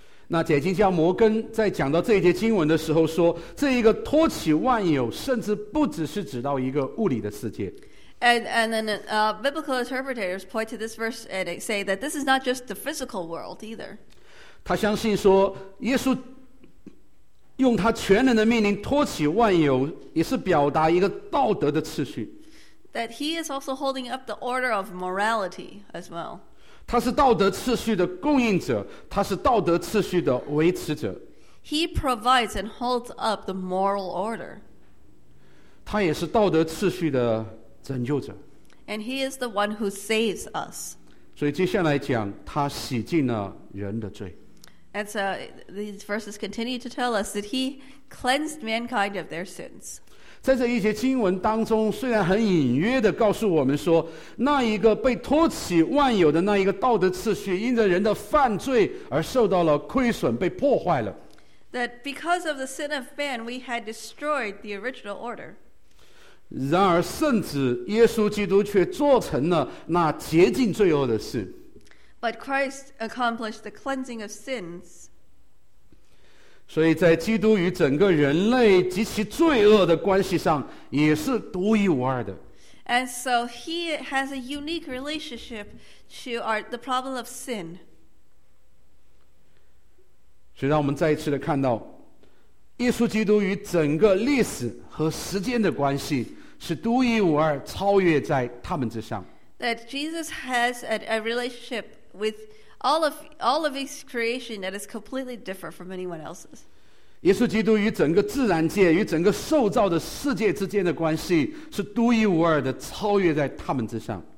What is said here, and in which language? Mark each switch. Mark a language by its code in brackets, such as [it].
[zh] 那解经家摩根在讲到这一节经文的时候说，这一个托起万有，甚至不只是指到一个物理的世界。 [en] And then biblical interpreters point to this verse and say that this is not just the physical world either. [zh] 他相信说，耶稣用他全能的命令托起万有，也是表达一个道德的秩序。 [en] That he is also holding up the order of morality as well. [zh] 他是道德秩序的供应者，他是道德秩序的维持者。 [en] He provides and holds up the moral order. [zh] 他也是道德秩序的拯救者。 [en] And he is the one who saves us. [zh] 所以接下来讲，他洗净了人的罪。 [en] And so these verses continue to tell us that he cleansed mankind of their sins. [zh] 在这一节经文当中，虽然很隐约地告诉我们说，那一个被托起万有的那一个道德秩序，因着人的犯罪而受到了亏损，被破坏了。 [en] That because of the sin of man, we had destroyed the original order. [zh] 然而，圣子耶稣基督却做成了那洁净罪恶的事。 [en] But Christ accomplished the cleansing of sins. [zh] 所以在基督与整个人类及其罪恶的关系上也是独一无二的。 [en] And so he has a unique relationship to the problem of sin. [zh] 所以让我们再一次的看到耶稣基督与整个历史和时间的关系是独一无二，超越在他们之上。 [en] That Jesus has a relationship withAll of his creation that is completely different from anyone else's. [zh] 耶稣基督与整个自然界与整个受造的世界之间的关系是独一无二的，超越在他们之上。